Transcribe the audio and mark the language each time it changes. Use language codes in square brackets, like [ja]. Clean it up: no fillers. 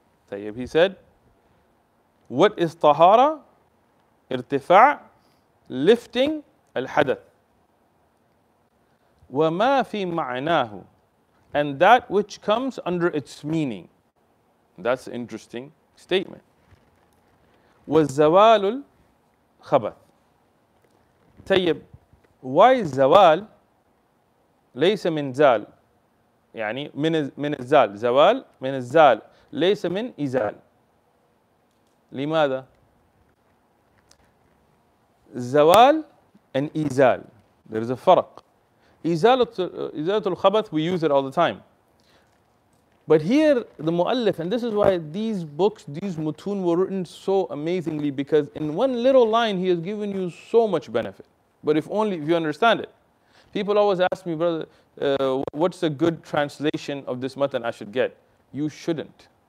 [en] Tayyib, he said, what is Tahara? Irtifa' lifting al-Hadath. [ar] وَمَا فِي مَعْنَاهُ [en] and that which comes under its meaning. That's an interesting statement. [ar] وَالزَّوَالُ الْخَبَثُ طيب, why زَوَال لَيْسَ مِنْ زَال يعني من الزَّال زَوَال مِنْ الزَّال لَيْسَ مِنْ إِزَال لماذا؟ زَوَال and إِزَال [en] there is a [ar] فرق. [en] إزالة الخبث, we use it all the time. But here, the مؤلف, and this is why these books, these متون were written so amazingly, because in one little line, he has given you so much benefit. But if only, if you understand it. People always ask me, brother, what's a good translation of this متن I should get? You shouldn't.